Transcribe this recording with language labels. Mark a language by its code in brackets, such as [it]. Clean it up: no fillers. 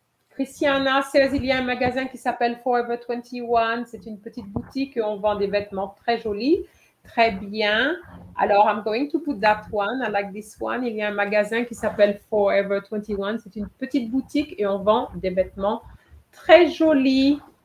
[fr] Christiana, c'est, il y a un magasin qui s'appelle Forever 21. C'est une petite boutique où on vend des vêtements très jolis. Très bien. [en] Alors, I'm going to put that one. I like this one. [fr] Il y a un magasin qui s'appelle Forever 21. C'est une petite boutique et on vend des vêtements très jolis.